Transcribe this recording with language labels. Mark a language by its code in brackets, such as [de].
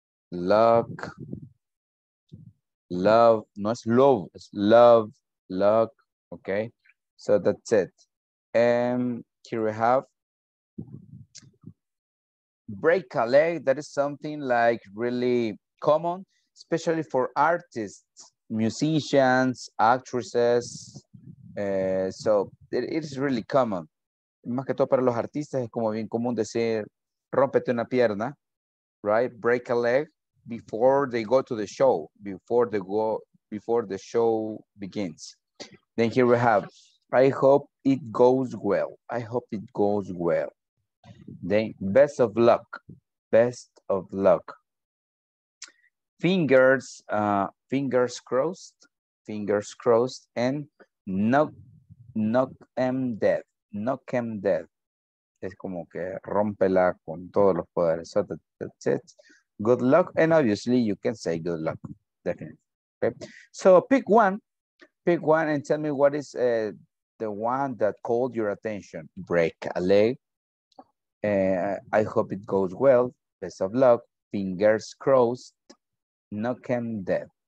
[en] Luck, love, [es] no es [en] love, it's love, luck, okay? So that's it. And here we have break a leg. That is something like really common, especially for artists, musicians, actresses. So it is really common. [es] Más que todo para los artistas, es como bien común decir, rómpete una pierna, [en] right? Break a leg. Before they go to the show, before the show begins. Then here we have, I hope it goes well. I hope it goes well. Then best of luck, best of luck. Fingers, fingers crossed, and knock him dead. [es] Es como que rompela con todos los poderes. [en] So that's it. Good luck, and obviously you can say good luck, definitely. Okay, so pick one and tell me what is the one that called your attention. Break a leg, I hope it goes well, best of luck, fingers crossed, knock him dead.